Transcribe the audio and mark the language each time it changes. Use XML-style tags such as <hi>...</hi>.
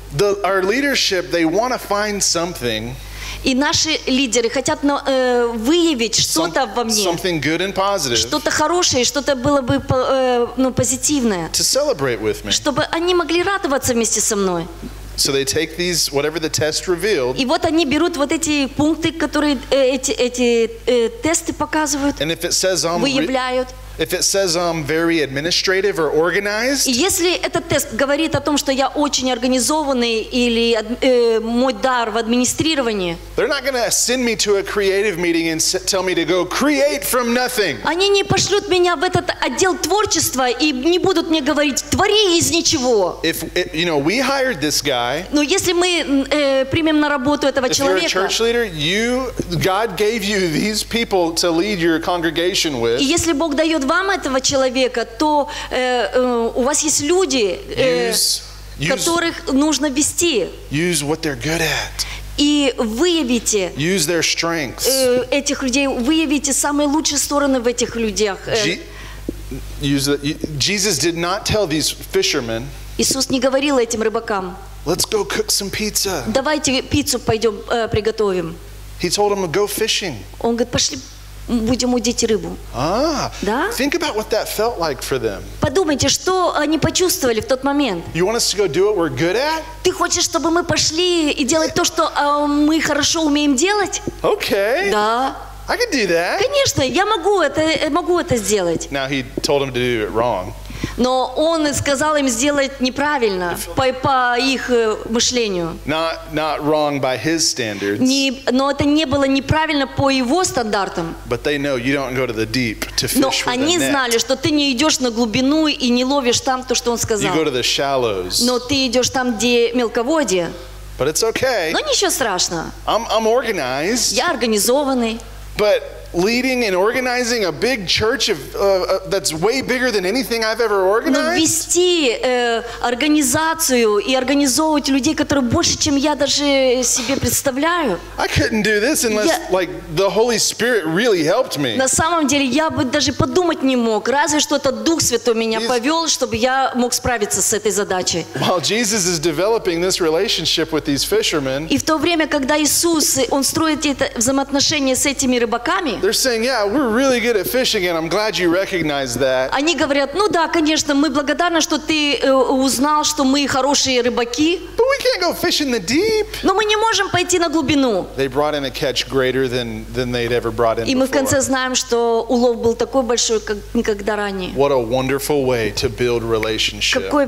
<en>Our leadership, they want to find something.</en> <ru>И наши лидеры хотят выявить что-то во мне.</ru> <en>Something good and positive.</en> <ru>Что-то хорошее, что-то было бы позитивное.</ru> <en>To celebrate with me.</en> <ru>Чтобы они могли радоваться вместе со мной.</ru> <en>So they take these whatever the test revealed.</en> <ru>И вот они берут вот эти пункты, которые эти тесты показывают.</ru> <en>And if it says I'm</en> <ru>выявляют.</ru> <en>If it says I'm very administrative or organized.</en> <ru>И если этот тест говорит о том, что я очень организованный или мой дар в администрировании.</ru> <en>They're not going to send me to a creative meeting and tell me to go create from nothing.</en> <ru>Они не пошлют меня в этот отдел творчества и не будут мне говорить: "Твори из ничего".</ru> <en>If you know, we hired this guy.</en> <ru>Но если мы примем на работу этого человека.</ru> <en>If you're a church leader, God gave you these people to lead your congregation with.</en> <ru>И если Бог дает вам этого человека, то у вас есть люди, которых нужно вести.</ru> <en>Use what they're good at.</en> <ru>И выявите</ru> <en>use their strengths.</en> <ru>Этих людей, выявите самые лучшие стороны в этих людях.</ru> <en>Jesus did not tell these fishermen,</en> <ru>Иисус не говорил этим рыбакам,</ru> <en>let's go cook some pizza.</en> <ru>Давайте пиццу пойдем приготовим.</ru> <en>He told them to go fishing.</en> <ru>Он говорит, пошли будем удить рыбу. Да?</ru> <en>Think about what that felt like for them.</en> <ru>Подумайте, что они почувствовали в тот момент.</ru> <en>You want us to go do what we're good at?</en> <ru>Ты хочешь, чтобы мы пошли и делать то, что мы хорошо умеем делать?</ru> <en>Okay.</en> <ru>Да.</ru> <en>I can do that.</en> <ru>Конечно, я могу это сделать.</ru> <en>Now he told them to do it wrong.</en> <ru>Но он сказал им сделать неправильно по их мышлению.</ru> <en>Not wrong by his standards.</en> <ru>Но это не было неправильно по его стандартам.</ru> <en>But they know you don't go to the deep to fish with a net.</en> <ru>Но они знали, что ты не идешь на глубину и не ловишь там то, что он сказал.</ru> <en>You go to the shallows.</en> <ru>Но ты идешь там, где мелководье.</ru> <en>But it's okay.</en> <ru>Но ничего страшного.</ru> <en>I'm organized.</en> <ru>Я организованный.</ru> <en>But leading and organizing a big church that's way bigger than anything I've ever organized.</en> <ru>Но вести организацию и организовывать людей, которые больше, чем я даже себе представляю.</ru> <en>I couldn't do this unless like the Holy Spirit really helped me.</en> <ru>На самом деле я бы даже подумать не мог, разве что этот Дух Святой меня повел, чтобы я мог справиться с этой задачей.</ru> <en>While Jesus is developing this relationship with these fishermen.</en> <ru>И в то время, когда Иисус, он строит это взаимоотношение с этими рыбаками.</ru> <en>They're saying, "Yeah, we're really good at fishing, and I'm glad you recognize that."</en> <ru>Они говорят, ну да, конечно, мы благодарны, что ты узнал, что мы хорошие рыбаки.</ru> <en>But we can't go fishing the deep.</en> <ru>Но мы не можем пойти на глубину.</ru> <en>They brought in a catch greater than they'd ever brought in.</en> <ru>И мы в конце знаем, что улов был такой большой, как никогда ранее.</ru> <en>What a wonderful way to build relationship.</en>